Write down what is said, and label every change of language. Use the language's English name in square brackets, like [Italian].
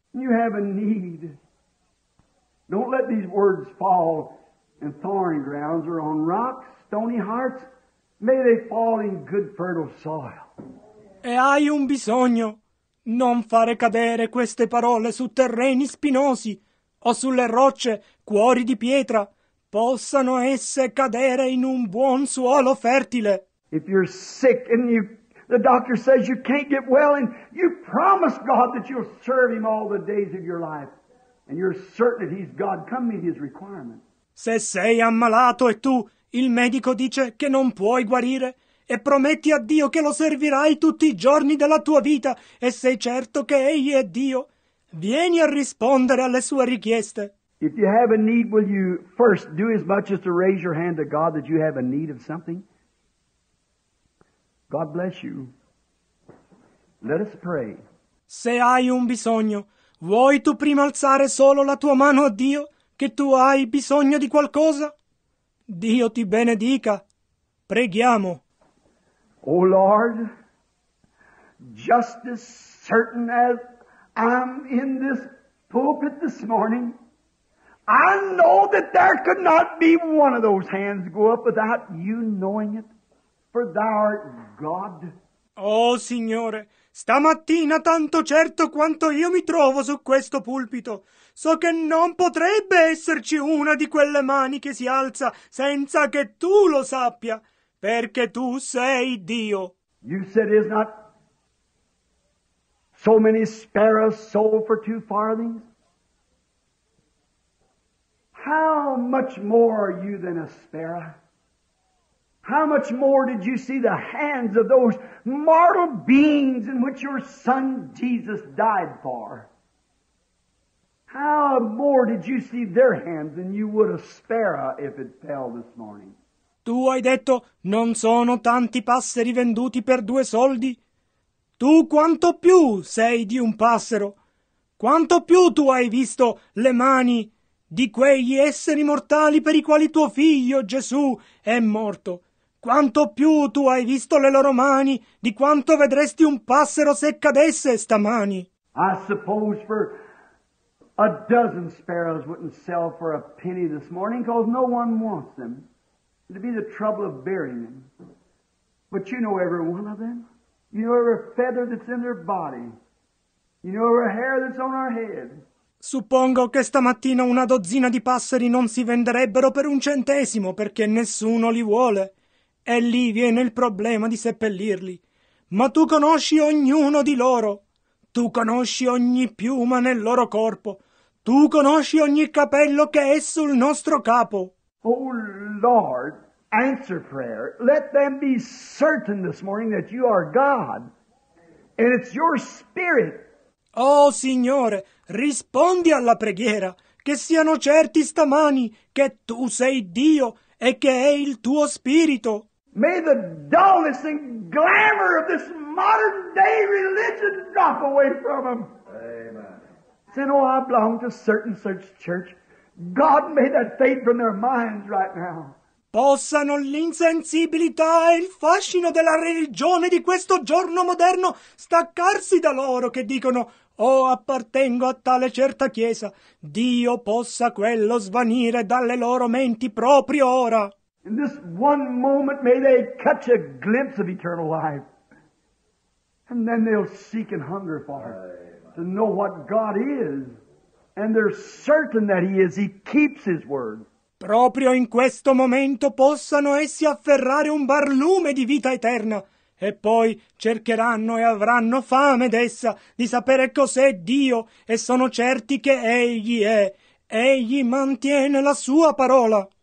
[English] You have a need. Don't let these words fall in thorny grounds or on rocks, stony hearts. May they fall in good fertile soil. [Italian] E hai un bisogno. Non fare cadere queste parole su terreni spinosi o sulle rocce, cuori di pietra. Possano esse cadere in un buon suolo fertile. [English] If you're sick and you, the doctor says you can't get well and you promise God that you'll serve him all the days of your life and you're certain that he's God, come meet his requirement. [Italian] Se sei ammalato e tu, il medico dice che non puoi guarire e prometti a Dio che lo servirai tutti i giorni della tua vita e sei certo che egli è Dio, vieni a rispondere alle sue richieste. [English] If you have a need, will you first do as much as to raise your hand to God that you have a need of something? God bless you. Let us pray. [Italian] Se hai un bisogno, vuoi tu prima alzare solo la tua mano a Dio, che tu hai bisogno di qualcosa? Dio ti benedica. Preghiamo. [English] Oh Lord, just as certain as I'm in this pulpit this morning, I know that there could not be one of those hands go up without you knowing it. For thou art God. [Italian] Oh, Signore, stamattina, tanto certo quanto io mi trovo su questo pulpito, so che non potrebbe esserci una di quelle mani che si alza senza che tu lo sappia, perché tu sei Dio. [English] You said, is not so many sparrows sold for 2 farthings? How much more are you than a sparrow? How much more did you see the hands of those mortal beings in which your son Jesus died for? How more did you see their hands than you would a sparrow if it fell this morning? [Italian] Tu hai detto, non sono tanti passeri venduti per 2 soldi? Tu quanto più sei di un passero? Quanto più tu hai visto le mani di quegli esseri mortali per i quali tuo figlio Gesù è morto? Quanto più tu hai visto le loro mani di quanto vedresti un passero se cadesse stamani? [English] I suppose for a dozen sparrows wouldn't sell for a penny this morning, because no one wants them. It'd be the trouble of burying them. But you know every one of them. You know every feather that's in their body. You know every hair that's on our head. [Italian] Suppongo che stamattina una dozzina di passeri non si venderebbero per 1 centesimo, perché nessuno li vuole. E lì viene il problema di seppellirli. Ma tu conosci ognuno di loro. Tu conosci ogni piuma nel loro corpo. Tu conosci ogni capello che è sul nostro capo. [English] Oh Lord, answer prayer. Let them be certain this morning that you are God. And it's your spirit. [Italian] Oh Signore, rispondi alla preghiera. Che siano certi stamani che tu sei Dio e che è il tuo spirito. [English] May the dullness and glamour of this modern day religion drop away from them. Amen. Say, oh, I belong to certain such church. God, may that fade from their minds right now. [Italian] Possano l'insensibilità e il fascino della religione di questo giorno moderno staccarsi da loro che dicono, oh, appartengo a tale certa chiesa. Dio possa quello svanire dalle loro menti proprio ora. [English] In this one moment may they catch a glimpse of eternal life. And then they'll seek and hunger for it, to know what God is. And they're certain that he is, he keeps his word. [Italian] Proprio in questo momento possano essi afferrare un barlume di vita eterna. E poi cercheranno e avranno fame d'essa, di sapere cos'è Dio, e sono certi che egli è. Egli mantiene la sua parola.